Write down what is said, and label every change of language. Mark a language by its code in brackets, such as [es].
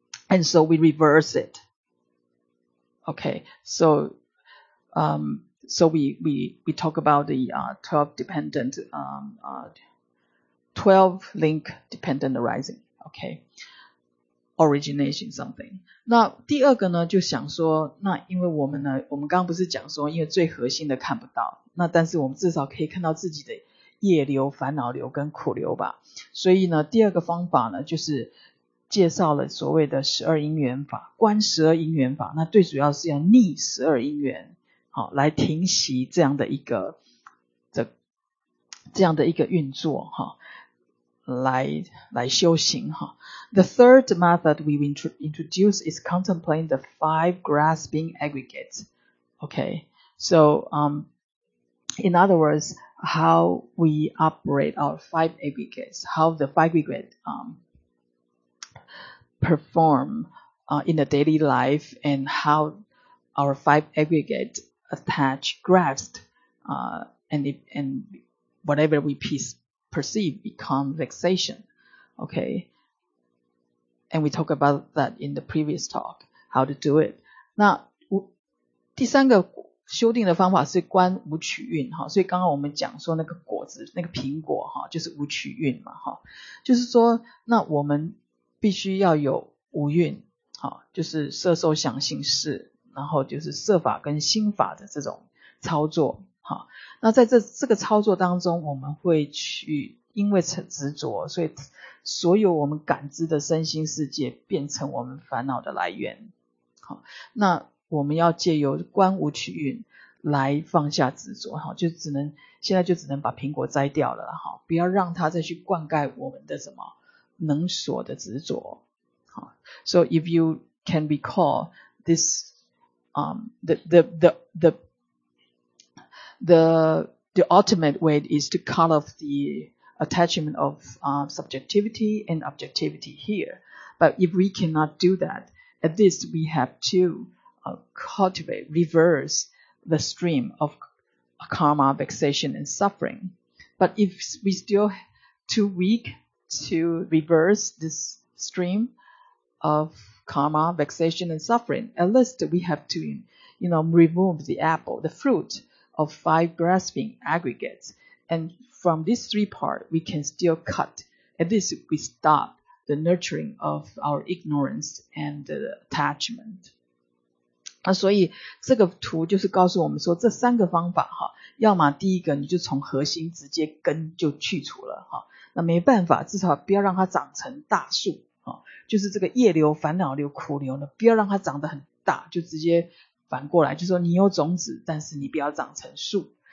[en] And so we reverse it. Okay, so we talk about the 12 dependent 12 link dependent arising, okay, origination something. [zh] 那第二个呢，就想说，那因为我们呢，我们刚刚不是讲说，因为最核心的看不到，那但是我们至少可以看到自己的业流、烦恼流跟苦流吧。所以呢，第二个方法呢，就是介绍了所谓的十二因缘法，观十二因缘法。那最主要是要逆十二因缘。好，来停息这样的一个这样的一个运作，来修行。 [en] The third method we introduce is contemplating the five grasping aggregates. Okay, so in other words, how we operate our five aggregates, how the five aggregates perform in the daily life, and how our five aggregates. Attach, grasped, and whatever we perceive become vexation. Okay. And we talked about that in the previous talk, how to do it. [zh] 那第三个修订的方法是观五取运，所以刚刚我们讲说那个果子，那个苹果就是五取运嘛，就是说那我们必须要有五运，就是色受想行识，然后就是色法跟心法的这种操作。那在 这个操作当中，我们会去因为执着，所以所有我们感知的身心世界变成我们烦恼的来源。那我们要借由观无取运来放下执着，就只能现在就只能把苹果摘掉了，不要让它再去灌溉我们的什么能所的执着。 [en] So if you can recall this, the ultimate way is to cut off the attachment of subjectivity and objectivity here. But if we cannot do that, at least we have to cultivate, reverse the stream of karma, vexation, and suffering. But if we still too weak to reverse this stream of karma, vexation, and suffering, at least we have to, you know, remove the apple, the fruit of five grasping aggregates. And from these three parts, we can still cut. At least we stop the nurturing of our ignorance and the attachment. [zh] 那所以这个图就是告诉我们说，这三个方法哈，要么第一个你就从核心直接根就去除了哈，那没办法，至少不要让它长成大树哈，就是这个业流、烦恼流、苦流呢，不要让它长得很大，就直接反过来，就说你有种子，但是你不要长成树。